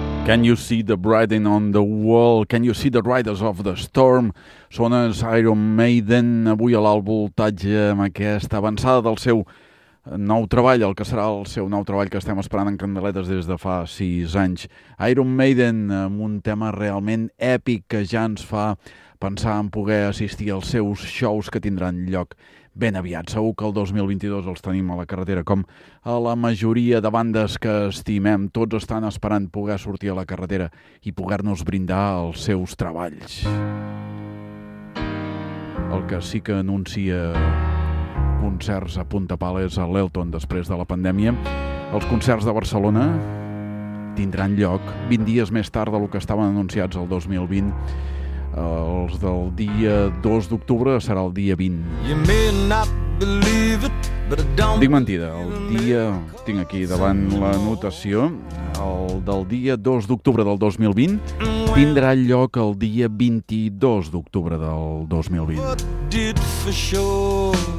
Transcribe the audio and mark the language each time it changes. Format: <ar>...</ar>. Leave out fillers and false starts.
<en>Can you see the writing on the wall? Can you see the riders of the storm?</en> <ca>Sones Iron Maiden avui a l'alvoltatge amb aquesta avançada del seu nou treball, el que serà el seu nou treball que estem esperant en candeletes des de fa 6 anys. Iron Maiden, amb un tema realment èpic que ja ens fa pensar en poder assistir als seus shows que tindran lloc ben aviat. Segur que el 2022 els tenim a la carretera, com a la majoria de bandes que estimem. Tots estan esperant poder sortir a la carretera i poder-nos brindar els seus treballs. El que sí que anuncia concerts a punta pala és a l'Elton després de la pandèmia. Els concerts de Barcelona tindran lloc 20 dies més tard de lo que estaven anunciats el 2020. Els del dia 2 d'octubre serà el dia 20.</ca> <en>You may not believe it, but don't...</en> <ca>Dic mentida, el dia... Tinc aquí davant la notació. El del dia 2 d'octubre del 2020 tindrà lloc el dia 22 d'octubre del 2020.</ca> <en>What did for sure?</en>